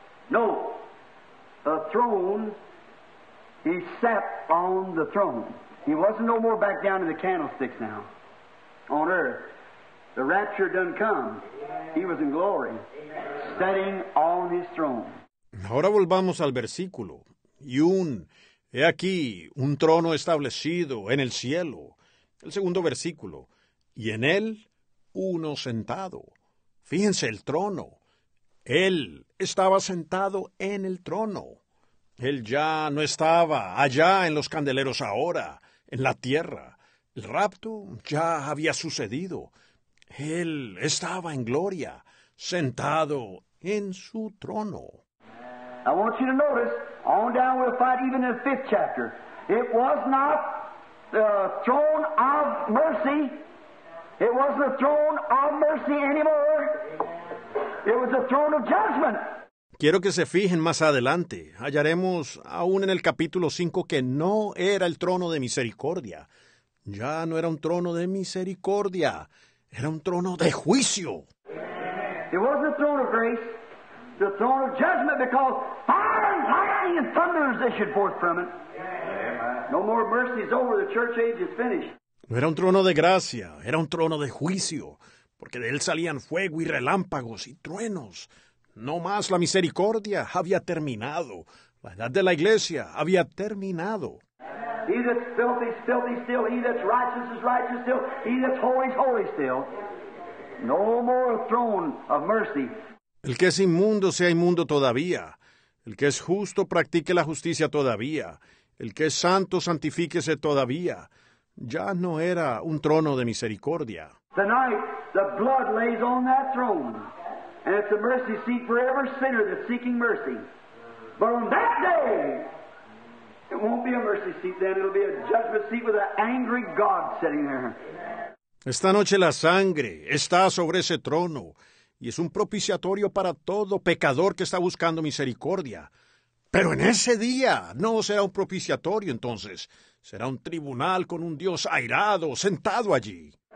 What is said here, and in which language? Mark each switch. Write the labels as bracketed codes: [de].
[en] No, a throne, he sat on the throne. He wasn't no more back down in the candlesticks now, on earth. The rapture done come. He was in glory. sitting on his throne. [es] Ahora volvamos al versículo. Y un, he aquí, un trono establecido en el cielo. El segundo versículo. Y en él, uno sentado. Fíjense el trono. Él estaba sentado en el trono. Él ya no estaba allá en los candeleros ahora, en la tierra. El rapto ya había sucedido. Él estaba en gloria, sentado en su trono. [en] I want you to notice, on down we'll find even in the fifth chapter, it was not the throne of mercy. It wasn't the throne of mercy anymore. It was the throne of judgment. [es] Quiero que se fijen más adelante. Hallaremos aún en el capítulo 5 que no era el trono de misericordia. Ya no era un trono de misericordia. Era un trono de juicio. [en] It wasn't the throne of grace. The throne of judgment, because fire and lightning and thunders issued forth from it. No more mercy is over. The church age is finished. [es] No era un trono de gracia. Era un trono de juicio. Porque de él salían fuego y relámpagos y truenos. No más la misericordia había terminado. La edad de la iglesia había terminado. [en] He that's filthy is filthy still. He that's righteous is righteous still. He that's holy is holy still. No more throne of mercy. [es] El que es inmundo sea inmundo todavía. El que es justo practique la justicia todavía. El que es santo santifíquese todavía. Ya no era un trono de misericordia. [en] Tonight, the blood lays on that throne. And it's a mercy seat for every sinner that's seeking mercy. But on that day, it won't be a mercy seat then. It'll be a judgment seat with an angry God sitting there. [es] Esta noche la sangre está sobre ese trono. Y es un propiciatorio para todo pecador que está buscando misericordia. Pero en ese día no será un propiciatorio entonces. Será un tribunal con un Dios airado, sentado allí.